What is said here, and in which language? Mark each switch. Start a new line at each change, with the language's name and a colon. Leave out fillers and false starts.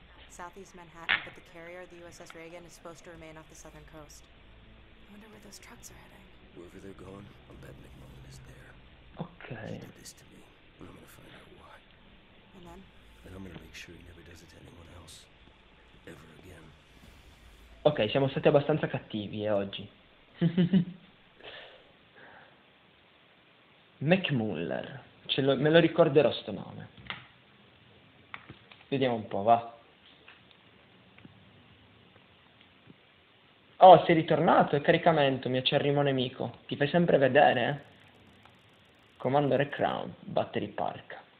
English: Southeast Manhattan, but the carrier, the USS Reagan, is supposed to remain off the southern coast. I wonder where those trucks are heading. Wherever they're going, I'll bet McMullen is there. Okay. He did this to me, and I'm gonna find out why. And then? And I'm gonna make sure he never does it to anyone else. Ever again.
Italian: Ok, siamo stati abbastanza cattivi, oggi. McMuller. Me lo ricorderò sto nome. Vediamo un po', va. Oh, sei ritornato, è caricamento, mio acerrimo nemico. Ti fai sempre vedere, eh?
English: Commander Crown, Battery Park.